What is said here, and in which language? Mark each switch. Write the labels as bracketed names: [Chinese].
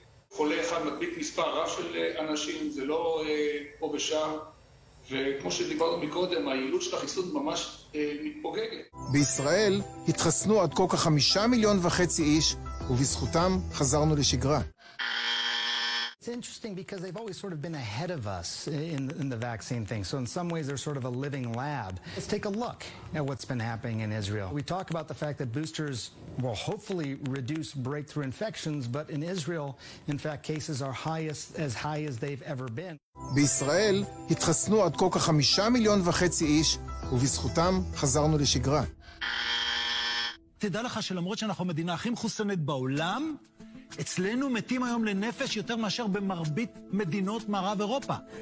[Hebrew] חולה אחד מדביק מספר רב של אנשים, זה לא פה ושם. וכמו שדיברנו מקודם, היעילות של החיסון ממש מתפוגגת. בישראל התחסנו עד כה כ5.5 מיליון איש, ובזכותם חזרנו לשגרה. [English] It's interesting because they've always sort of been ahead of us in the vaccine thing. So in some ways they're sort of a living lab. Let's take a look at what's been happening in Israel. We talk about the fact that boosters will hopefully reduce breakthrough infections, but in Israel, in fact, cases are as high as they've ever been. [Hebrew] בישראל התחסנו עד כה כ5.5 מיליון איש, ובזכותם חזרנו לשגרה. תדע לך שלמרות שאנחנו מדינה הכי מחוסנת בעולם, אצלנו מתים היום לנפש יותר מאשר במרבית מדינות מערב אירופה.